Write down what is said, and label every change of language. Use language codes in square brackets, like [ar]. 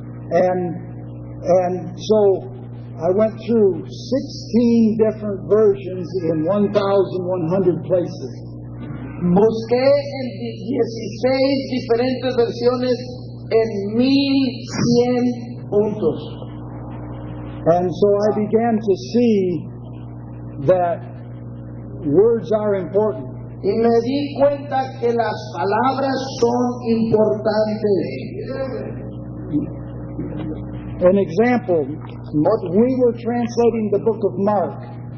[en] And so I went through 16 different versions in 1,100 places. [es] Busqué en 16 diferentes versiones en 1,100 puntos. [en] And so I began to see that words are important. [es] Y me di cuenta que las palabras son importantes. [en] An example, we were translating the book of Mark.